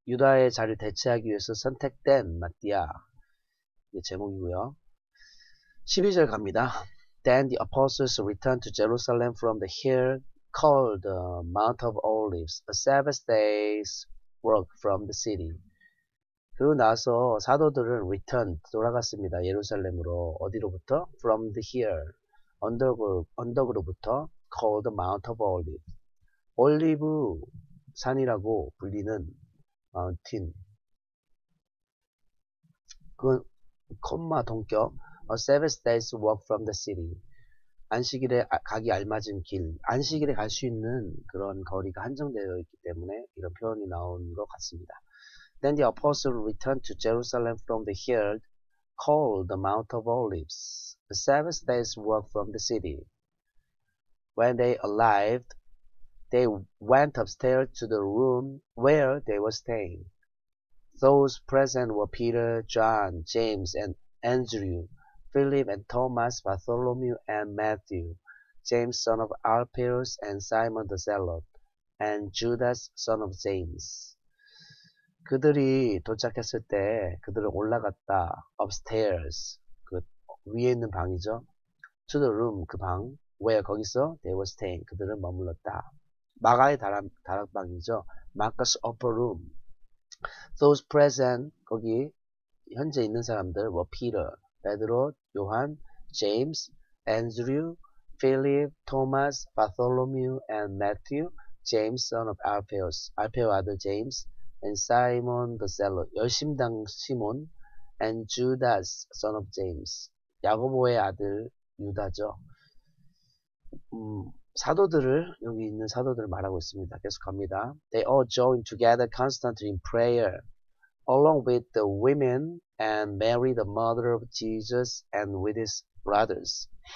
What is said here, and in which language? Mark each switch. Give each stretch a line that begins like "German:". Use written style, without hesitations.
Korean: 유다의 자리를 대체하기 위해서 선택된 마티아. 이게 제목이고요. 12절 갑니다.
English: Then the apostles returned to Jerusalem from the hill called the Mount of Olives, a Sabbath day's work from the city.
Korean: 그리고 나서 사도들은 returned, 돌아갔습니다. 예루살렘으로. 어디로부터?
English: From the hill, 언덕으로부터 called the Mount of Olives.
Korean: 올리브 산이라고 불리는 마운틴.
English: 그 콤마 동격, a Sabbath day's work from the city.
Korean: 안식일에 가기 알맞은 길, 안식일에 갈 수 있는 그런 거리가 한정되어 있기 때문에 이런 표현이 나온 것 같습니다.
English: Then the apostles returned to Jerusalem from the hill called the Mount of Olives, a Sabbath day's work from the city. When they arrived, they went upstairs to the room where they were staying. Those present were Peter, John, James, and Andrew, Philip and Thomas, Bartholomew and Matthew, James son of Alphaeus and Simon the Zealot, and Judas son of James.
Korean: 그들이 도착했을 때 그들을 올라갔다. Upstairs, 그 위에 있는 방이죠. To the room, 그 방. Where, 거기서 they were staying, 그들은 머물렀다. 마가의 다락방이죠. Marcus upper room. Those present, 거기 현재 있는 사람들 were Peter, 베드로, 요한, 제임스, 앤드류, 필립, 토마스, 바톨로미우, 앤 매튜, 제임스 son of Alphaeus, 알페오 아들 제임스, 앤 사이먼 더 셀러, 열심당 시몬, 앤 주다스 son of James, 야고보의 아들 유다죠. 사도들을, 여기 있는 사도들을 말하고 있습니다. 계속 갑니다.
English: They all joined together constantly in prayer, along with the women and Mary, the mother of Jesus, and with his brothers.